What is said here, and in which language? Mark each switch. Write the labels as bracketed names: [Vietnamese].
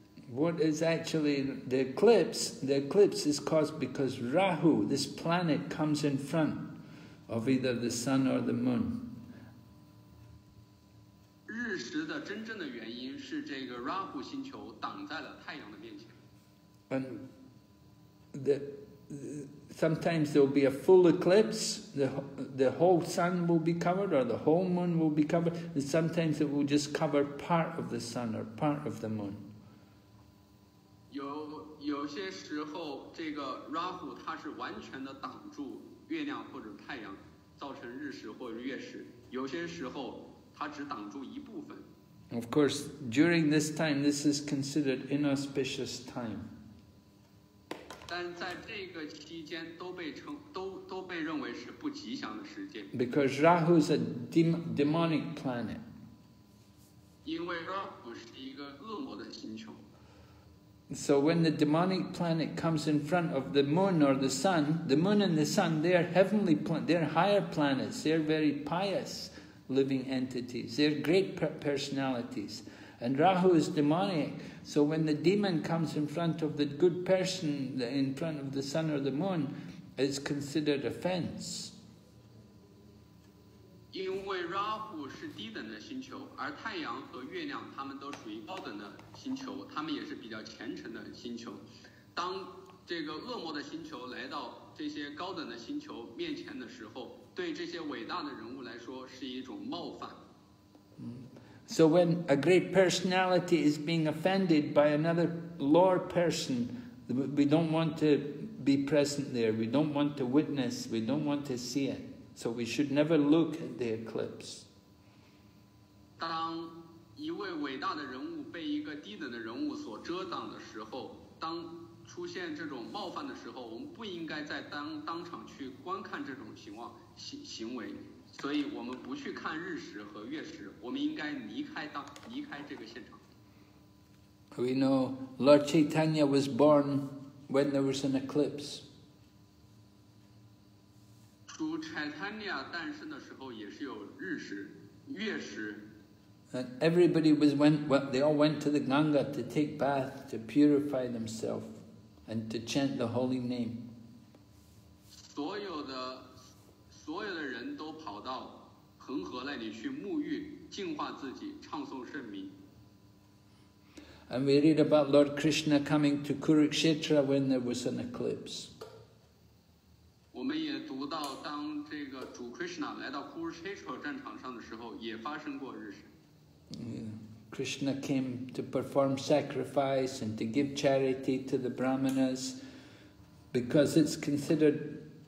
[English] What is actually the eclipse? The eclipse is caused because Rahu, this planet, comes in front. of either the sun or the moon. [Chinese] 日食的真正的原因是这个 Rahu 星球挡在了太阳的面前。 [English] And the sometimes there will be a full eclipse, the whole sun will be covered or the whole moon will be covered, and sometimes it will just cover part of the sun or part of the moon. [Chinese] 有些时候这个 Rahu 它是完全的挡住月亮或者太阳，造成日食或月食，有些时候它只挡住一部分。 [English] Of course, during this time, this is considered inauspicious time. [Chinese] 但在这个期间都被认为是不吉祥的时间。 [English] Because Rahu is a demonic planet. [Chinese] 因为 Rahu 是一个恶魔的星球。 [English] So when the demonic planet comes in front of the moon or the moon and the sun, they are heavenly planets, they are higher planets, they are very pious living entities, they are great personalities. And Rahu is demonic, so when the demon comes in front of the good person, in front of the sun or the moon, it's considered offense. [Chinese] 因为 Rahu 是低等的星球，而太阳和月亮他们都属于高等的星球，他们也是比较虔诚的星球。当这个恶魔的星球来到这些高等的星球面前的时候，对这些伟大的人物来说是一种冒犯。 [English] So when a great personality is being offended by another lower person, we don't want to be present there, we don't want to witness, we don't want to see it. So we should never look at the eclipse. [Chinese] 当一位伟大的人物被一个低等的人物所遮挡的时候，当出现这种冒犯的时候，我们不应该在当场去观看这种行为。所以我们不去看日食和月食，我们应该离开这个现场。 [English] We know Lord Chaitanya was born when there was an eclipse. [Chinese] 主 Chaitanya 诞生的时候也是有日食、月食。 [English] And everybody was went, well, they all went to the Ganga to take bath, to purify themselves, and to chant the holy name. [Chinese] 所有的人都跑到恒河那里去沐浴，净化自己，唱诵圣名。 [English] And we read about Lord Krishna coming to Kurukshetra when there was an eclipse. [Chinese] 我们也读到，当这个主 Krishna 来到 Kurukshetra 战场上的时候，也发生过日食。 [English] Yeah. Krishna came to perform sacrifice and to give charity to the brahmanas because it's considered.